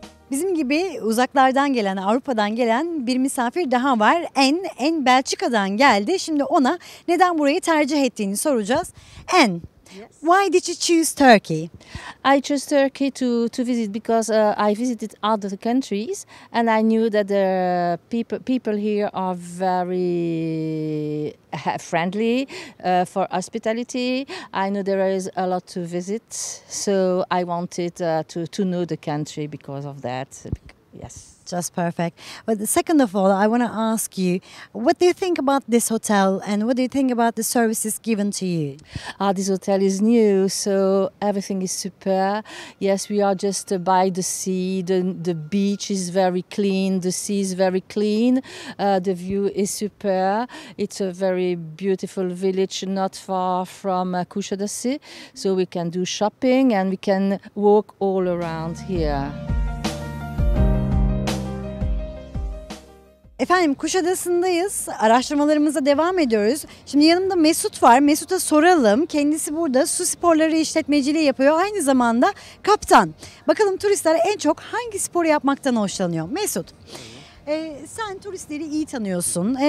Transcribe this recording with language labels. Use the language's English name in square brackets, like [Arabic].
[Turkish] Bizim gibi uzaklardan gelen, Avrupa'dan gelen bir misafir daha var. En Belçika'dan geldi. Şimdi ona neden burayı tercih ettiğini soracağız. [English] En, yes. Why did you choose Turkey? I chose Turkey to visit because I visited other countries and I knew that the people here are very friendly for hospitality. I know there is a lot to visit, so I wanted to know the country because of that. Yes. Just perfect. But second of all, I want to ask you, what do you think about this hotel and what do you think about the services given to you? This hotel is new, so everything is super. Yes, we are just by the sea. The beach is very clean. The sea is very clean. The view is super. It's a very beautiful village not far from Kuşadası. So we can do shopping and we can walk all around here. [Turkish] Efendim, Kuşadası'ndayız. Araştırmalarımıza devam ediyoruz. Şimdi yanımda Mesut var. Mesut'a soralım. Kendisi burada su sporları işletmeciliği yapıyor. Aynı zamanda kaptan. Bakalım turistler en çok hangi sporu yapmaktan hoşlanıyor? Mesut, sen turistleri iyi tanıyorsun.